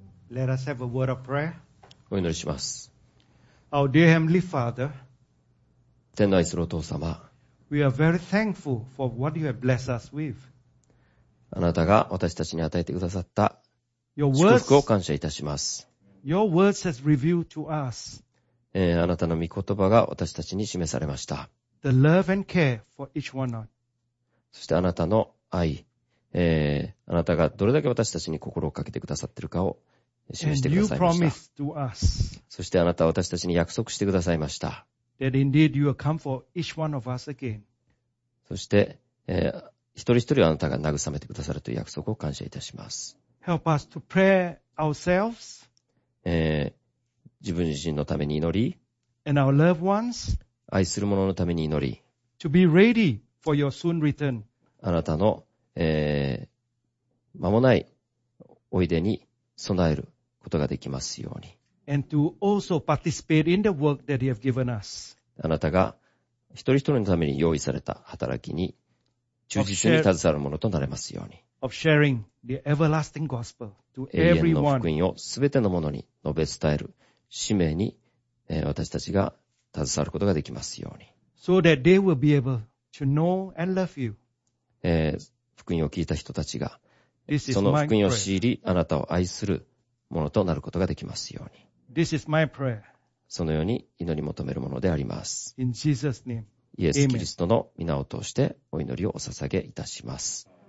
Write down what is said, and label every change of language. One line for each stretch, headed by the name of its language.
English: Let us have a word of prayer.
Japanese: お祈りします。
English: Our dear Heavenly Father,
Japanese: 天の愛するお父様、
English: We are very thankful for what you have blessed us with.
Japanese: あなたが私たちに与えてくださった祝福を感謝いたします。
English: Your words has revealed to us.
Japanese: あなたの御言葉が私たちに示されました。
English: The love and care for each one of us.
Japanese: そしてあなたの愛、あなたがどれだけ私たちに心をかけてくださっているかを示してくださいました。そしてあなたは私たちに約束してくださいました。
English: That indeed you will come for each one of us again.
Japanese: そして、一人一人あなたが慰めてくださるという約束を感謝いたします。
English: Help us to pray ourselves.
Japanese: 自分自身のために祈り、
English: and our loved ones.
Japanese: 愛する者のために祈り、
English: to be ready for your soon return.
Japanese: あなたの、間もないおいでに備えることができますように。
English: And to also participate in the work that you have given us.
Japanese: あなたが一人一人のために用意された働きに忠実に携わるものとなれますように。
English: Of sharing the everlasting gospel to everyone.
Japanese: 永遠の福音をすべてのものに述べ伝える使命に、私たちが携わることができますように。
English: So that they will be able to know and love you.
Japanese: 福音を聞いた人たちがその福音を知り、あなたを愛するものとなることができますように。
English: This is my prayer.
Japanese: そのように祈り求めるものであります。
English: In Jesus' name.
Japanese: イエス・キリストの御名を通してお祈りをお捧げいたします。